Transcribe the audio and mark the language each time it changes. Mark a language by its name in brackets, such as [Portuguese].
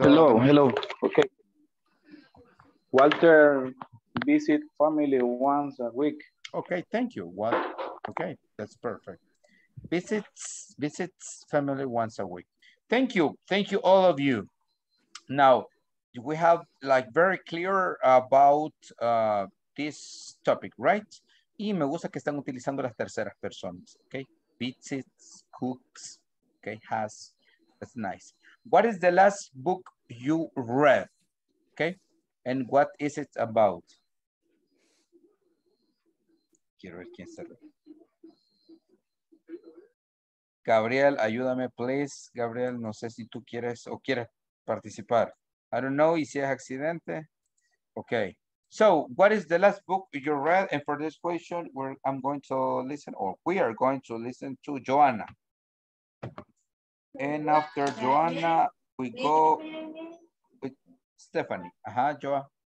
[English] Hello, Adonai? Hello. Okay. Walter visit family once a week. Okay, thank you. What? Okay, that's perfect. Visits family once a week. Thank you. Thank you, all of you. Now, we have like very clear about this topic, right? [Spanish] Y me gusta que están utilizando las terceras personas, okay? [English] Visits, cooks, okay, has. That's nice. What is the last book you read, okay? And what is it about? [Spanish] Quiero ver quién se lee. Gabriel, ayúdame, please. Gabriel, no sé si tú quieres o quieres participar. [English] I don't know, [Spanish] y si es accidente. Okay. [English] So, what is the last book you read? And for this question, we are going to listen to Joanna. And after Joanna, we go with Stephanie. Ajá, Joanna.